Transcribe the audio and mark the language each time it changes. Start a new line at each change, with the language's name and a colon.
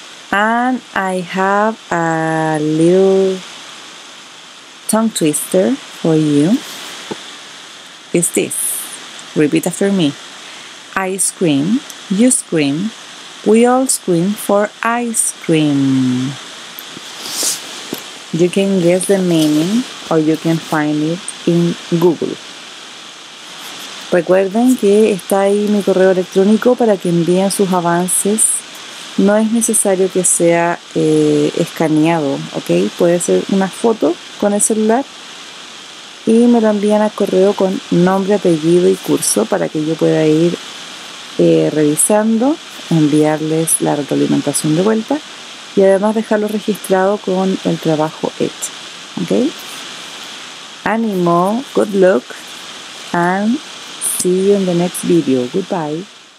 English: And I have a little tongue twister for you. It's this. Repeat after me. I scream, you scream, we all scream for ice cream. You can guess the meaning or you can find it in Google.
Spanish: Recuerden que está ahí mi correo electrónico para que envíen sus avances. No es necesario que sea escaneado, ¿ok? Puede ser una foto con el celular y me lo envían a correo con nombre, apellido y curso para que yo pueda ir revisando, enviarles la retroalimentación de vuelta. Y además dejarlo registrado con el trabajo hecho. ¿Ok?
English: Ánimo, good luck, and see you in the next video. Goodbye.